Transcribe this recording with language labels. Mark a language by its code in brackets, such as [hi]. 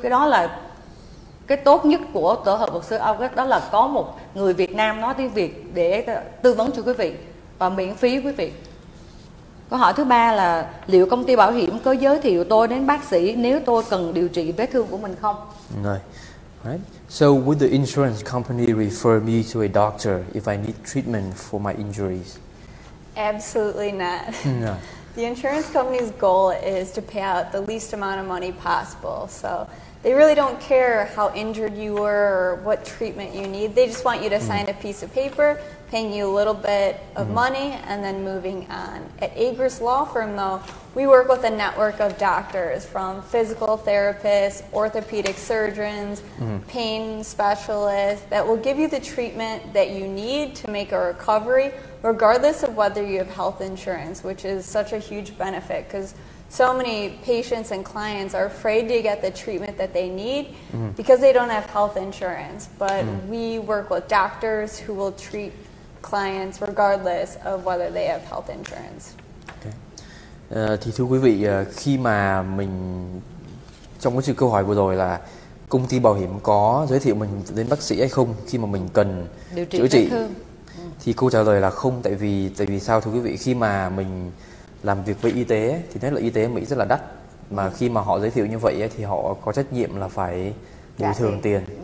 [vi] Cái đó là cái tốt nhất của tổ hợp luật sư AOS, đó là có một người Việt Nam nói tiếng Việt để tư vấn cho quý vị và miễn phí quý vị. Câu hỏi thứ ba là liệu công ty bảo hiểm có giới thiệu tôi đến bác sĩ nếu tôi cần điều trị vết thương của mình không? [en] Right. So would the insurance company refer me to a doctor if I need treatment for my injuries? Absolutely not. No. The insurance company's goal is to pay out the least amount of money possible. So they really don't care how injured you were or what treatment you need. They just want you to sign a piece of paper paying you a little bit of money and then moving on. At Agruss Law Firm, though, we work with a network of doctors from physical therapists, orthopedic surgeons, pain specialists that will give you the treatment that you need to make a recovery regardless of whether you have health insurance, which is such a huge benefit because so many patients and clients are afraid to get the treatment that they need because they don't have health insurance. But we work with doctors who will treat clients regardless of whether they have health insurance. Okay. [vi] Thì thưa quý vị, khi mà mình trong cái chữ câu hỏi vừa rồi là công ty bảo hiểm có giới thiệu mình đến bác sĩ hay không khi mà mình cần chữa trị, thì câu trả lời là không. Tại vì sao thưa quý vị? Khi mà mình làm việc với y tế thì nhất là y tế Mỹ rất là đắt, mà khi mà họ giới thiệu như vậy thì họ có trách nhiệm là phải bồi thường tiền